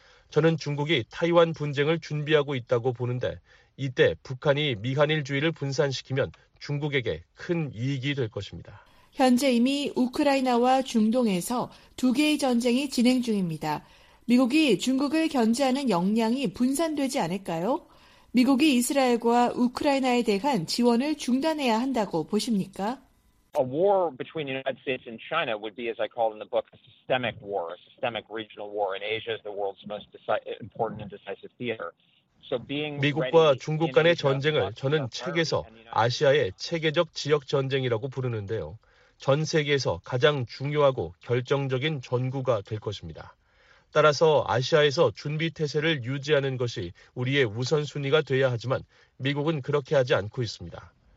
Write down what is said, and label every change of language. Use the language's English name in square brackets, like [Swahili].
[Korean] 저는 중국이 타이완 분쟁을 준비하고 있다고 보는데 이때 북한이 미한일 주의를 분산시키면 중국에게 큰 이익이 될 것입니다. 현재 이미 우크라이나와 중동에서 두 개의 전쟁이 진행 중입니다. 미국이 중국을 견제하는 역량이 분산되지 않을까요? 미국이 이스라엘과 우크라이나에 대한 지원을 중단해야 한다고 보십니까? [English] A war between the United States and China would be, as I call it in the book, a systemic war, a systemic regional war. And Asia is the world's most important and decisive theater. [Korean] 미국과 중국 간의 전쟁을 저는 책에서 아시아의 체계적 지역 전쟁이라고 부르는데요. 전 세계에서 가장 중요하고 결정적인 전구가 될 것입니다. 따라서 아시아에서 준비태세를 유지하는 것이 우리의 우선순위가 돼야 하지만 미국은 그렇게 하지 않고 있습니다.